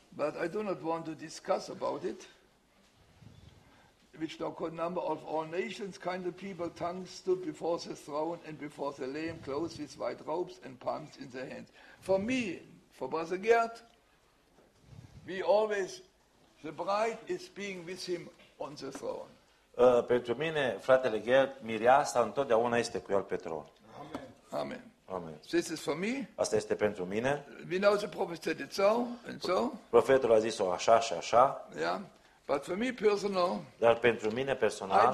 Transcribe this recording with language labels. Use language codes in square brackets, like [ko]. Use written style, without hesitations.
[en] But I do not want to discuss about it. Which the number of all nations, kind of people, tongues stood before the throne and before the Lamb, clothed with white robes and palms in their hands. For me, for Brother Gerd, we always, the bride is being with him on the throne. [ro] Pentru mine, fratele Gerd, mireasa întotdeauna este cu el pe tron. [en] Amen. [ro] Amen. [en] This is for me. [ro] Asta este pentru mine. [en] We know the prophet said it so and so. [ro] Profetul a zis-o așa și așa. [en] Yeah. But for me personal, [ro] dar pentru mine personal,